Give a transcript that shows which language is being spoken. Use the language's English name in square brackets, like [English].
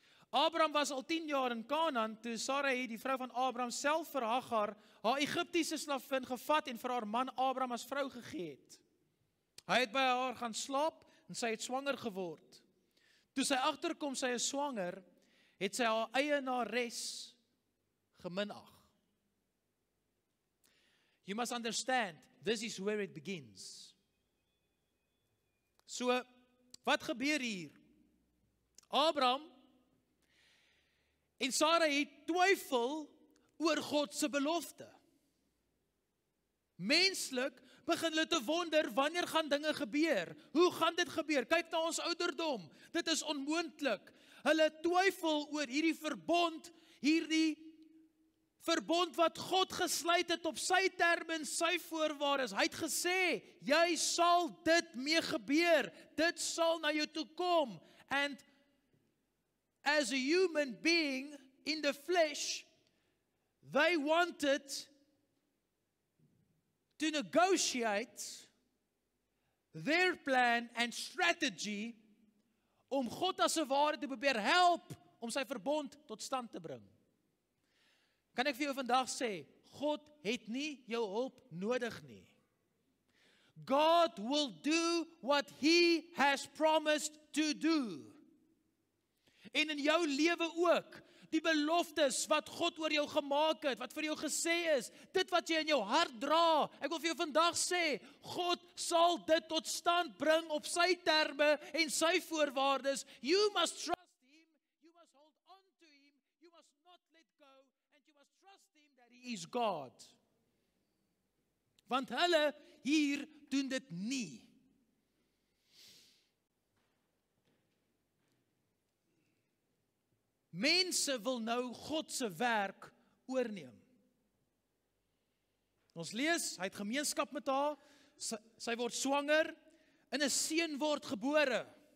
[Afrikaans] Abraham was al 10 jaar in Kanaan toe Sarai, die vrou van Abraham, self vir Hagar, haar Egiptiese slavin, gevat en vir haar man Abraham as vrou gegee het. Hy het by haar gaan slaap en sy het swanger geword. Toe sy agterkom sy is swanger, het sy haar eie nares geminag. [English] You must understand, this is where it begins. [Afrikaans] So, wat gebeur hier? Abraham en Sarah het twyfel oor Godse belofte. Menslik begin hulle te wonder, wanneer gaan dinge gebeur? Hoe gaan dit gebeur? Kyk na ons ouderdom, dit is onmoontlik. Hulle twyfel oor hierdie verbond, hierdie verbond wat God gesluit het op sy term en sy voorwaardes. Hy het gesê, jy sal dit mee gebeur, dit sal na jou toe kom. [English] And as a human being in the flesh, they wanted to negotiate their plan and strategy [Afrikaans] om God as 'n ware te probeer help om sy verbond tot stand te bring. Kan ek vir jou vandag sê, God het nie jou hulp nodig nie. [English] God will do what he has promised to do. [Afrikaans] En in jou lewe ook, die beloftes wat God oor jou gemaak het, wat vir jou gesê is, dit wat jy in jou hart dra, ek wil vir jou vandag sê, God sal dit tot stand bring op sy terme en sy voorwaardes. [English] You must trust him, you must hold on to him, you must not let go, and you must trust him that he is God. [Afrikaans] Want hulle hier doen dit nie. Mense wil nou God se werk oorneem. Ons lees, hy het gemeenskap met haar, sy word swanger, en 'n seun word gebore.